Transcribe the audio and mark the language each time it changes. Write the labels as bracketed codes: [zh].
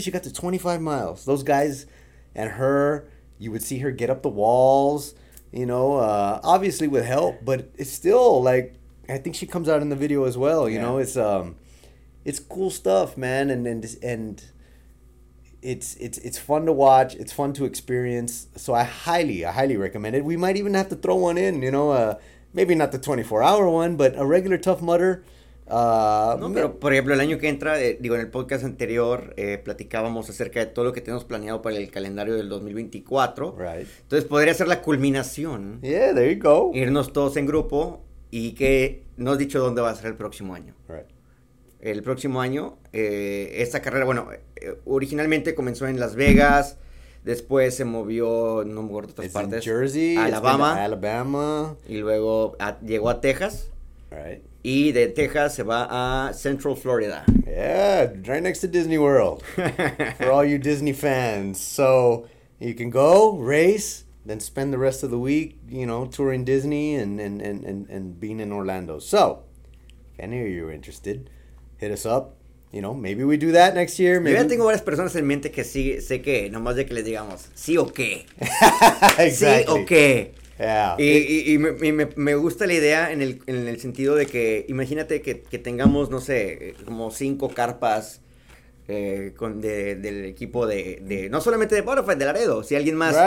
[en] She got to 25 miles. Those guys and her, you would see her get up the walls, you know, obviously with help, but it's still, like, I think she comes out in the video as well, you know, it's cool stuff, man, and it's fun to watch. It's fun to experience. So I highly recommend it. We might even have to throw one in, you know, maybe not the 24-hour one, but a regular Tough Mudder. [es] Pero por ejemplo el año que entra, digo en el podcast anterior platicábamos acerca de todo lo que tenemos planeado para el calendario del 2024. [en] Right. [es] Entonces podría ser la culminación. [en] Yeah, there you go. [es] Irnos todos en grupo y que no has dicho dónde va a ser el próximo año. [en] Right. [es] El próximo año, esta carrera, bueno, originalmente comenzó en Las Vegas, después se movió, no me acuerdo, otras partes. [en] It's in Jersey, Alabama. It's in Alabama. [es] Y luego llegó a Texas. [en] Right. [es] Y de Texas se va a Central Florida. [en] Yeah, right next to Disney World. For all you Disney fans. So, you can go, race, then spend the rest of the week, you know, touring Disney and being in Orlando. So, if any of you are interested, hit us up, you know, maybe we do that next year. Maybe. [es] Yo ya tengo varias personas en mente que sí, sé que, nomás de que les digamos, sí o qué. [en] Exactly. [es] Sí o qué. [en] Yeah. [es] Y me gusta la idea en el sentido de que, imagínate que tengamos, no sé, como 5 carpas del equipo de, no solamente de Bodify, de Laredo, si alguien más